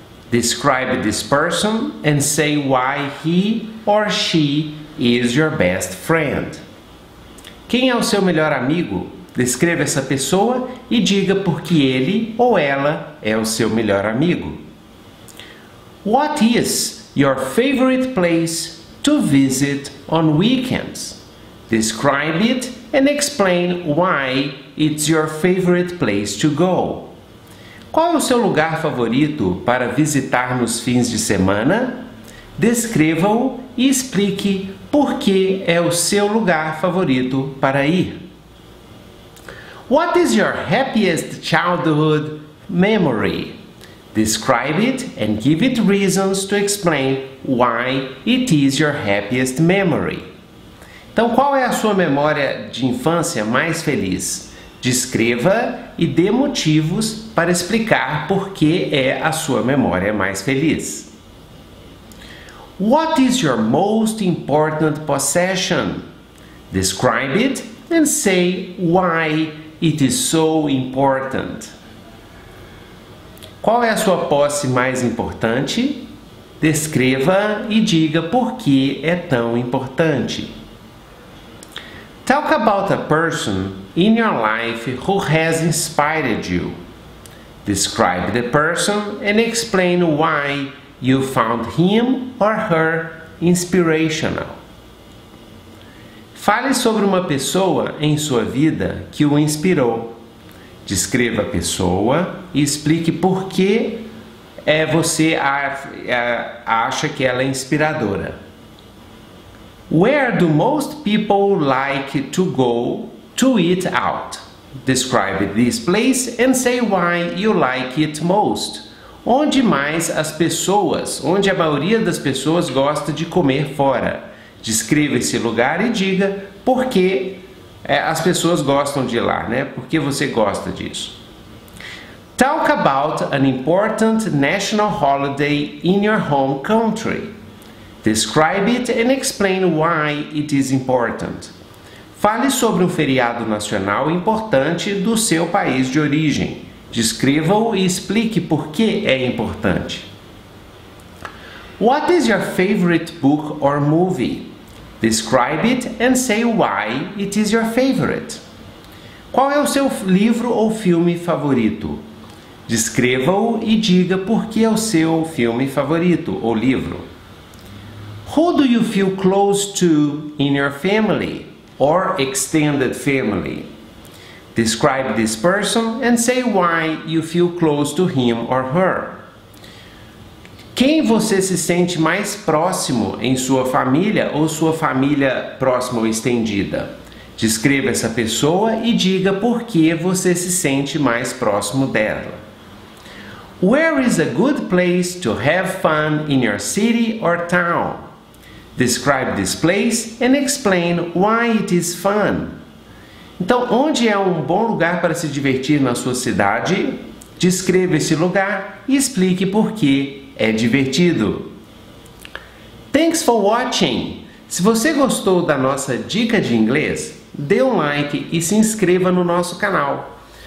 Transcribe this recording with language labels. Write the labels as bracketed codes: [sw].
[en] Describe this person and say why he or she is your best friend. [pt] Quem é o seu melhor amigo? Descreva essa pessoa e diga por que ele ou ela é o seu melhor amigo. [en] What is your favorite place to visit on weekends? Describe it and explain why it's your favorite place to go. [pt] Qual é o seu lugar favorito para visitar nos fins de semana? Descreva-o e explique por que é o seu lugar favorito para ir. [en] What is your happiest childhood memory? Describe it and give it reasons to explain why it is your happiest memory. [pt] Então, qual é a sua memória de infância mais feliz? Descreva e dê motivos para explicar por que é a sua memória mais feliz. [en] What is your most important possession? Describe it and say why it is so important. [pt] Qual é a sua posse mais importante? Descreva e diga por que é tão importante. [en] Talk about a person in your life who has inspired you. Describe the person and explain why you found him or her inspirational. [pt] Fale sobre uma pessoa em sua vida que o inspirou. Descreva a pessoa e explique por que você acha que ela é inspiradora. [en] Where do most people like to go to eat out? Describe this place and say why you like it most. [pt] Onde mais as pessoas, onde a maioria das pessoas gosta de comer fora? Descreva esse lugar e diga por que as pessoas gostam de ir lá, né? Por que você gosta disso? [en] Talk about an important national holiday in your home country. Describe it and explain why it is important. [pt] Fale sobre um feriado nacional importante do seu país de origem. Descreva-o e explique por que é importante. [en] What is your favorite book or movie? Describe it and say why it is your favorite. [pt] Qual é o seu livro ou filme favorito? Descreva-o e diga por que é o seu filme favorito ou livro. [en] Who do you feel close to in your family or extended family? Describe this person and say why you feel close to him or her. [pt] Quem você se sente mais próximo em sua família ou sua família próxima ou estendida? Descreva essa pessoa e diga por que você se sente mais próximo dela. [en] Where is a good place to have fun in your city or town? Describe this place and explain why it is fun. [pt] Então, onde é um bom lugar para se divertir na sua cidade? Descreva esse lugar e explique por que é divertido. [en] Thanks for watching! [pt] Se você gostou da nossa dica de inglês, dê um like e se inscreva no nosso canal.